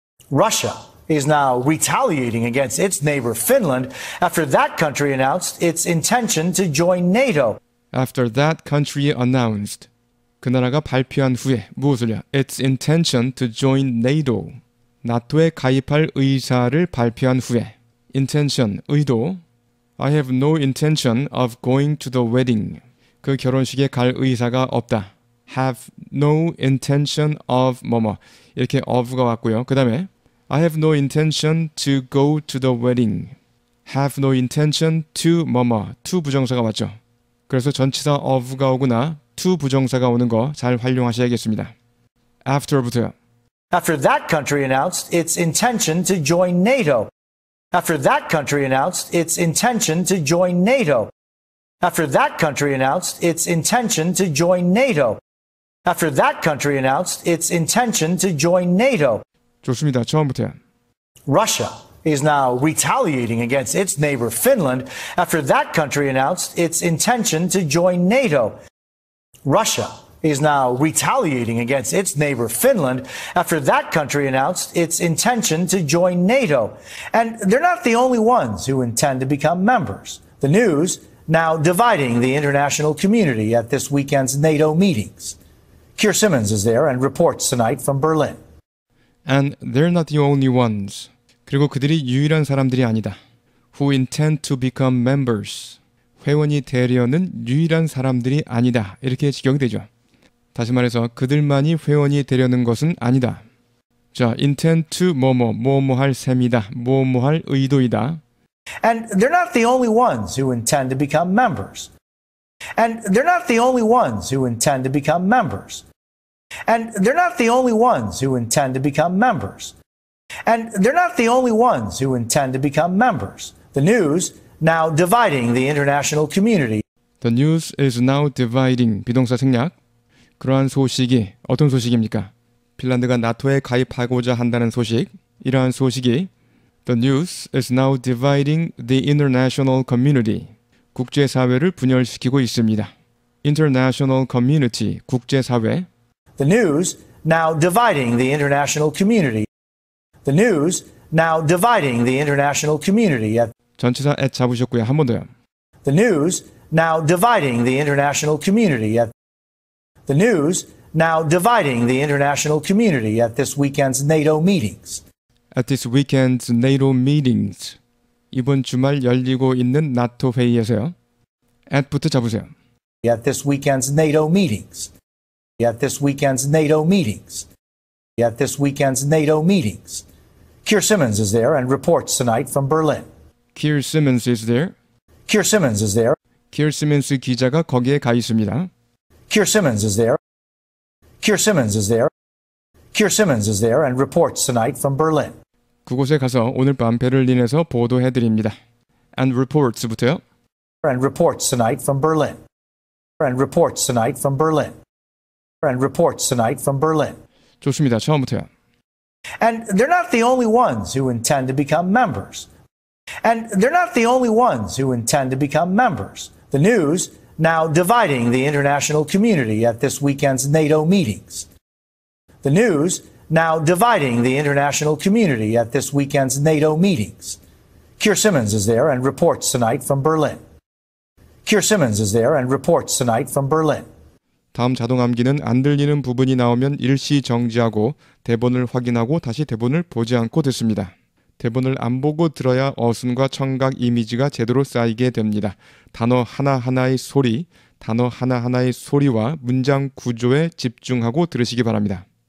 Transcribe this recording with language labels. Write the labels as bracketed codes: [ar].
[en] Russia is now retaliating against its neighbor Finland after that country announced its intention to join NATO. After that country announced. [ko] 그 나라가 발표한 후에 무엇을요? [en] Its intention to join NATO. [ko] 나토에 가입할 의사를 발표한 후에. [en] Intention, 의도. I have no intention of going to the wedding. [ko] 그 결혼식에 갈 의사가 없다. [en] Have no intention of [ko] 뭐뭐. 이렇게 of가 왔고요. 그 다음에 [en] I have no intention to go to the wedding. Have no intention to [ko] 뭐뭐. To 부정사가 왔죠. 그래서 전치사 of가 오구나. To 부정사가 오는 거 잘 활용하셔야겠습니다. After부터요. [en] After that country announced its intention to join NATO. After that country announced its intention to join NATO. After that country announced its intention to join NATO. After that country announced its intention to join NATO. [ko] 좋습니다. 처음부터요. [en] Russia is now retaliating against its neighbor Finland after that country announced its intention to join NATO. Russia is now retaliating against its neighbor Finland after that country announced its intention to join NATO. And they're not the only ones who intend to become members. The news now dividing the international community at this weekend's NATO meetings. Keir Simmons is there and reports tonight from Berlin. And they're not the only ones. [ko] 그리고 그들이 유일한 사람들이 아니다. [en] Who intend to become members. [ko] 회원이 되려는 유일한 사람들이 아니다. 이렇게 직역이 되죠. 다시 말해서 그들만이 회원이 되려는 것은 아니다. 자, [en] intend to [ko] 뭐뭐, 뭐뭐 할 셈이다. 뭐뭐 할 의도이다. [en] And they're not the only ones who intend to become members. And they're not the only ones who intend to become members. And they're not the only ones who intend to become members. And they're not the only ones who intend to become members. The news now dividing the international community. The news is now dividing. [ko] 비동사 생략. 그러한 소식이 어떤 소식입니까? 핀란드가 나토에 가입하고자 한다는 소식. 이러한 소식이 [en] The news is now dividing the international community. [ko] 국제사회를 분열시키고 있습니다. [en] International community. 국제사회. The news now dividing the international community. The news now dividing the international community. [ko] 전치사 at 잡으셨고요. 한 번 더요. [en] The news now dividing the international community. The news now dividing the international community at this weekend's NATO meetings. At this weekend's NATO meetings. [ko] 이번 주말 열리고 있는 나토 회의에서요. At부터 잡으세요. [en] At this weekend's NATO meetings. At this weekend's NATO meetings. At this weekend's NATO meetings. Keir Simmons is there and reports tonight from Berlin. Keir Simmons is there. Keir Simmons is there. [ko] Keir Simmons 기자가 거기에 가 있습니다. [en] Keir Simmons is there. Keir Simmons is there. Keir Simmons is there and reports tonight from Berlin. [ko] 그곳에 가서 오늘 밤 베를린에서 보도해 드립니다. [en] And reports [ko] 부터요. [en] And reports tonight from Berlin. And reports tonight from Berlin. And reports tonight from Berlin. [ko] 좋습니다. 처음부터요. [en] And they're not the only ones who intend to become members. And they're not the only ones who intend to become members. The news now dividing the international community at this weekend's NATO meetings. The news now dividing the international community at this weekend's NATO meetings. Keir Simmons is there and reports tonight from Berlin. Keir Simmons is there and reports tonight from Berlin. [ko] 다음 자동 암기는 안 들리는 부분이 나오면 일시 정지하고 대본을 확인하고 다시 대본을 보지 않고 듣습니다. 대본을 안 보고 들어야 어순과 청각 이미지가 제대로 쌓이게 됩니다. 단어 하나하나의 소리, 단어 하나하나의 소리와 문장 구조에 집중하고 들으시기 바랍니다.